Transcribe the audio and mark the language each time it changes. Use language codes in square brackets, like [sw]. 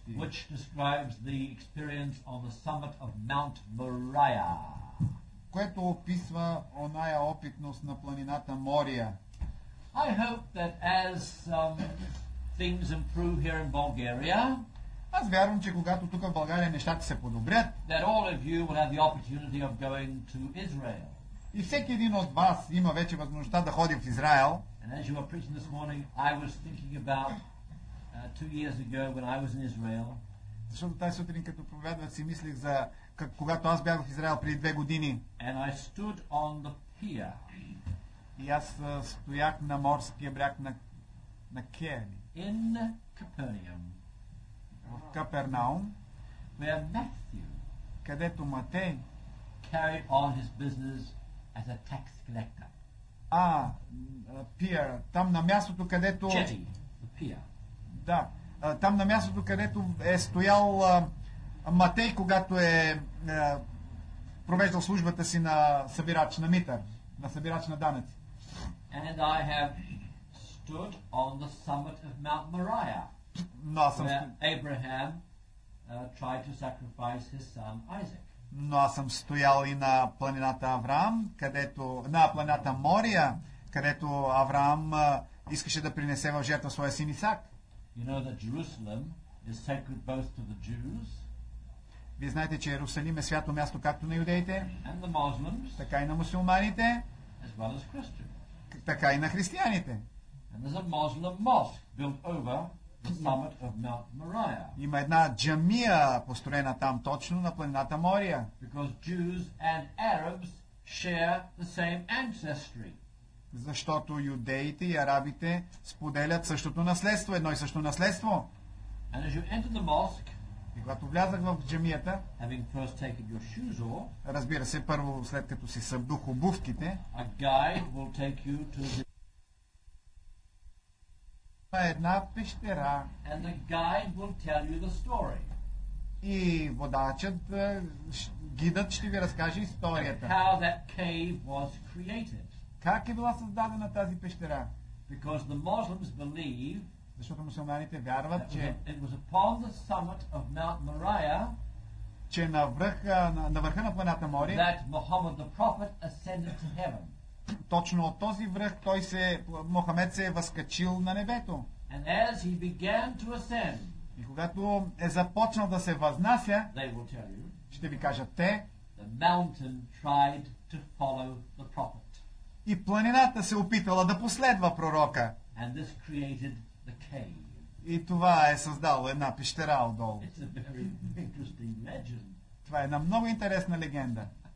[en] Which describes the experience on the summit of Mount Moriah. [bg] Което описва оная опитност на планината Мория. [en] I hope that as things improve here in Bulgaria, [bg] аз вярвам, че когато тук в България нещата се подобрят, [en] that all of you will have the opportunity of going to Israel. [bg] И всеки един от вас има вече възможността да ходи в Израел. [en] And as you were preaching this morning, I was thinking about 2 years ago when I was in Israel, [bg] Защото тази сутрин, като проповядвах, си мислих за как, когато аз бях в Израел преди две години. [en] And I stood on the pier. [bg] И аз стоях на морския бряг на, на Кеен. [en] In Capernaum. [bg] В Капернаум. [en] Where Matthew, [bg] където Матей, [en] carried on his business as a tax collector. [bg] А, пиер, там на мястото, където... [en] Jetty, the pier. [bg] Да. Там на мястото, където е стоял Матей, когато е провеждал службата си на събирач на митър, на събирач на данъци. [en] And I have stood on the summit of Mount Moriah. [bg] Но аз съм [en] Abraham tried to sacrifice his son Isaac. [bg] Но аз съм стоял и на планината Авраам, където на планината Мория, където Авраам искаше да принесе в жертва своя син Исак. [en] You know that Jerusalem is sacred both to the Jews. [bg] Вие знаете, че Йерусалим е свято място както на юдеите, [en] and the Muslims, [bg] така и на мусулманите, [en] as well as Christians. [bg] Така и на християните. [en] And there's a Muslim mosque built over the summit of Mount Moriah. [bg] Има една джамия построена там точно на планината Мория. [en] Because Jews and Arabs share the same ancestry. [bg] Защото юдеите и арабите споделят същото наследство, едно и също наследство. [en] And as you enter the mosque, [bg] и когато влязах в джамията, [en] having first taken your shoes off, [bg] разбира се, първо след като си събдух обувките, [en] a guide will take you to the... [bg] една пещера. [en] And the guide will tell you the story. [bg] И водачът, гидът ще ви разкаже историята. [en] And how that cave was created. [bg] Как е била създадена тази пещера? [en] Because the Muslims believe, [bg] защото мусулманите вярват, че [en] it was upon the summit of Mount Moriah, [bg] че на върха на върха на планината Мори, [en] that Muhammad the prophet ascended to heaven. [bg] Точно от този връх той се Мохамед се е възкачил на небето. [en] And as he began to ascend, [bg] и когато е започнал да се възнася, [en] they will tell you, [bg] ще ви кажат те, [en] the mountain tried to follow the prophet. [bg] И планината се опитала да последва пророка. [en] And this created the cave. [bg] И това е създало една пещера отдолу. [en] It's a very interesting legend. [bg] Това е една много интересна легенда.